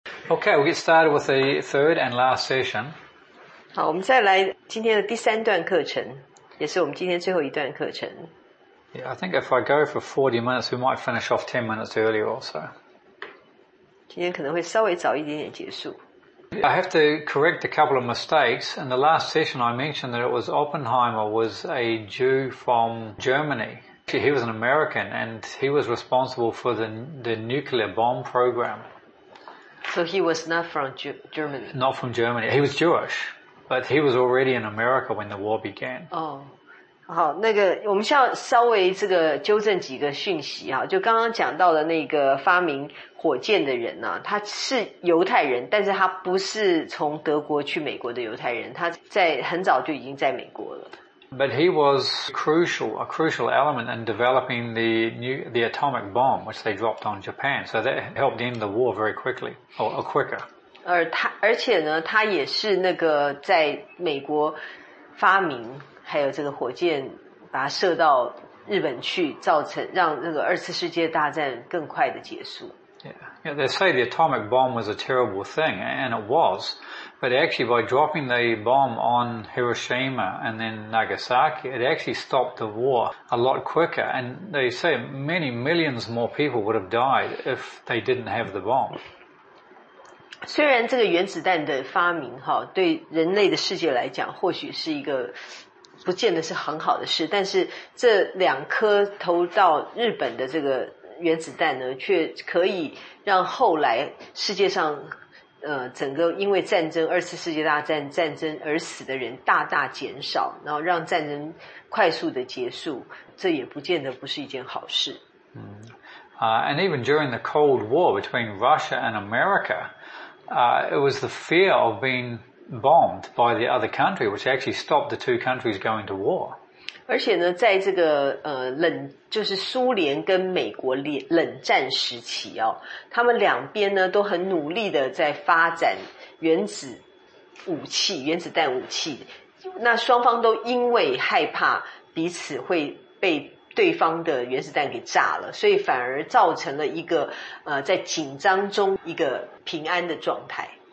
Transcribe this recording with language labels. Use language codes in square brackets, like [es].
[en] Okay, we'll get started with the third and last session. [zh] 好，我们再来今天的第三段课程，也是我们今天最后一段课程。 [en] Yeah, I think if I go for 40 minutes, we might finish off 10 minutes earlier also. [zh] 今天可能会稍微早一点点结束。 [en] I have to correct a couple of mistakes. In the last session, I mentioned that it was Oppenheimer was a Jew from Germany. He was an American, and he was responsible for the nuclear bomb program. So he was not from Germany? Not from Germany. He was Jewish, but he was already in America when the war began. [zh] Oh, 好，那个，我们需要稍微这个纠正几个讯息啊，就刚刚讲到的那个发明火箭的人啊，他是犹太人，但是他不是从德国去美国的犹太人，他在很早就已经在美国了。 [en] But he was a crucial element in developing the atomic bomb, which they dropped on Japan. So that helped end the war very quickly, or quicker. [zh] 而且呢，他也是那个在美国发明，还有这个火箭把它射到日本去，造成让那个二次世界大战更快的结束。 [en] Yeah, they say the atomic bomb was a terrible thing, and it was. But actually, by dropping the bomb on Hiroshima and then Nagasaki, it actually stopped the war a lot quicker. And they say many millions more people would have died if they didn't have the bomb. [zh] 虽然这个原子弹的发明哈，对人类的世界来讲，或许是一个不见得是很好的事，但是这两颗投到日本的这个原子弹呢，却可以让后来世界上，整个因为战争，二次世界大战战争而死的人大大减少，然后让战争快速的结束，这也不见得不是一件好事。 [en] And even during the Cold War between Russia and America, it was the fear of being bombed by the other country which actually stopped the two countries going to war. [zh] 而且呢，在这个冷，就是苏联跟美国冷战时期哦，他们两边呢都很努力的在发展原子武器、原子弹武器。那双方都因为害怕彼此会被对方的原子弹给炸了，所以反而造成了一个在紧张中一个平安的状态。